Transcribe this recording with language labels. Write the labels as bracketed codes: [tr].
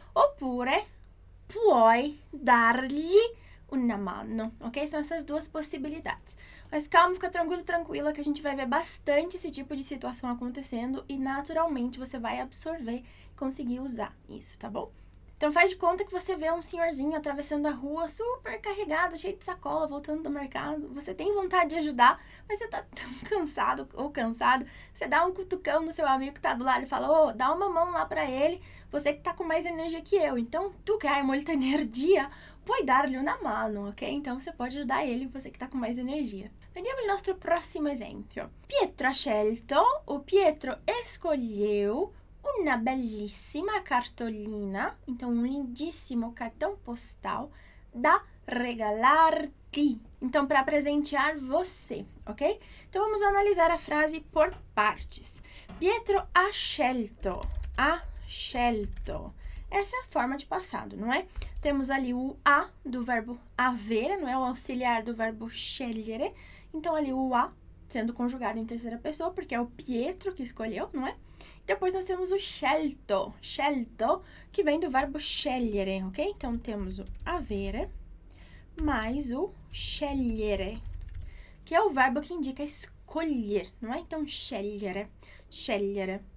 [it] Oppure puoi dargli una mano. Ok? [pt] São essas duas possibilidades. Mas calma, fica tranquilo, tranquila, que a gente vai ver bastante esse tipo de situação acontecendo e naturalmente você vai absorver e conseguir usar isso, tá bom? Então faz de conta que você vê um senhorzinho atravessando a rua, super carregado, cheio de sacola, voltando do mercado. Você tem vontade de ajudar, mas você tá tão cansado ou cansado. Você dá um cutucão no seu amigo que tá do lado e fala: ô, dá uma mão lá pra ele, você que tá com mais energia que eu. [it] Então, tu que hai molta energia, puoi dargli una mano, ok? [pt] Então você pode ajudar ele, você que tá com mais energia. [it] Vediamo il nostro prossimo esempio. Pietro ha scelto, [pt] o Pietro escolheu. [it] Una bellissima cartolina, [pt] então um lindíssimo cartão postal [it] da regalarti, [pt] então para presentear você, ok? Então vamos analisar a frase por partes. [it] Pietro ha scelto, [pt] essa é a forma de passado, não é? Temos ali o a do verbo avere, não é? O auxiliar do verbo scegliere, então ali o a sendo conjugado em terceira pessoa, porque é o Pietro que escolheu, não é? Depois nós temos o scelto, scelto, que vem do verbo scegliere, ok? Então temos o avere mais o scegliere, que é o verbo que indica escolher, não é? Então scegliere, scegliere.